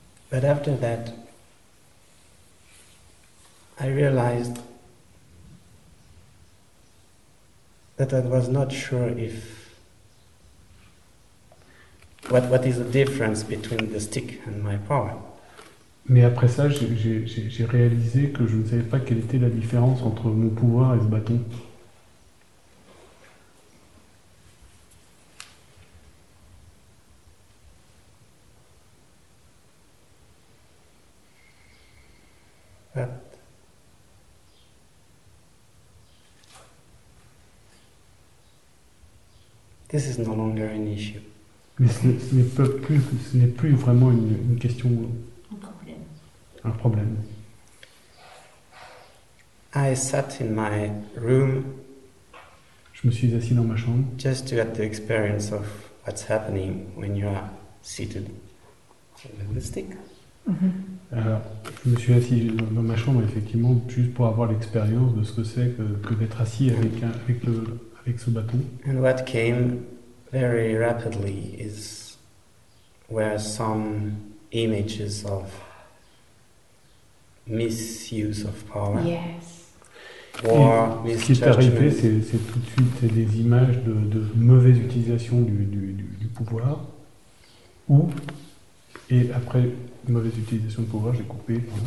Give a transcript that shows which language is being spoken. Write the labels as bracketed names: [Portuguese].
[English] But after that, I realized that I was not sure if what is the difference between the stick and my power. [French] Mais après ça, j'ai réalisé que je ne savais pas quelle était la différence entre mon pouvoir et ce bâton. [English] This is no longer an issue. [French] Mais ce n'est plus vraiment une question. Un problème. [English] I sat in my room. [French] Je me suis assis dans ma chambre. [English] Just to get the experience of what's happening when you are seated with the stick. Mm-hmm. [French] Alors, je me suis assis dans ma chambre effectivement juste pour avoir l'expérience de ce que c'est que d'être assis avec ce bâton. [English] And what came very rapidly is where some images of misuse of power. Yes. War, misjudgment. [French] Ce qui est arrivé, c'est tout de suite des images de mauvaise utilisation du pouvoir. Ou, et après mauvaise utilisation de pouvoir, j'ai coupé.